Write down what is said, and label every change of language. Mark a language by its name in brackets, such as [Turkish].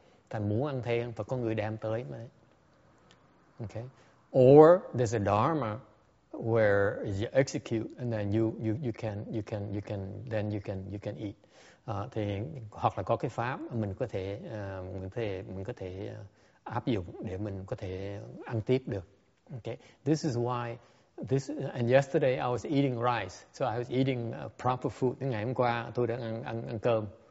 [Vietnamese] Thành muốn ăn thêm, phải có người đem tới mà. [English] Okay. Or there's a dharma where you execute and then you can eat. [Vietnamese] Thì hoặc là có cái pháp mình có thể áp dụng để mình có thể ăn tiếp được. [English] Okay. This is why this, and yesterday I was eating rice. So I was eating proper food. [Vietnamese] Nhưng ngày hôm qua tôi đã ăn cơm.